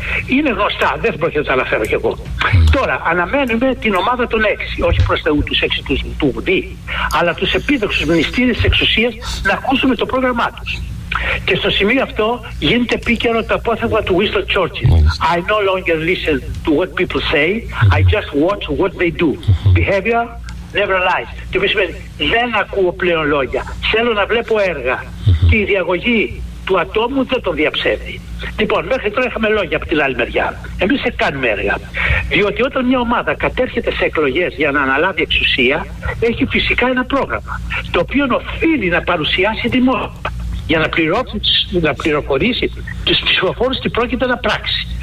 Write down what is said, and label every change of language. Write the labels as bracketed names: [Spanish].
[Greek] Είναι γνωστά, δεν πρόκειται να τα αναφέρω κι εγώ. Τώρα, αναμένουμε την ομάδα των έξι, όχι προς Θεού τους έξι τους του Βουδί, αλλά τους επίδοξους μνηστήρες της εξουσίας, να ακούσουμε το πρόγραμμά τους. Και στο σημείο αυτό γίνεται επίκαιρο το απόθεμα του Winston Churchill. [English] I no longer listen to what people say, I just watch what they do. Behavior never lies. [Greek] Τι σημαίνει, δεν ακούω πλέον λόγια. Θέλω να βλέπω έργα. Και η διαγωγή του ατόμου δεν τον διαψεύδει. Λοιπόν, μέχρι τώρα είχαμε λόγια από την άλλη μεριά. Εμείς δεν κάνουμε έργα. Διότι όταν μια ομάδα κατέρχεται σε εκλογές για να αναλάβει εξουσία, έχει φυσικά ένα πρόγραμμα, το οποίο οφείλει να παρουσιάσει δημόσια για να πληροφορήσει τους ψηφοφόρους τι πρόκειται να πράξει.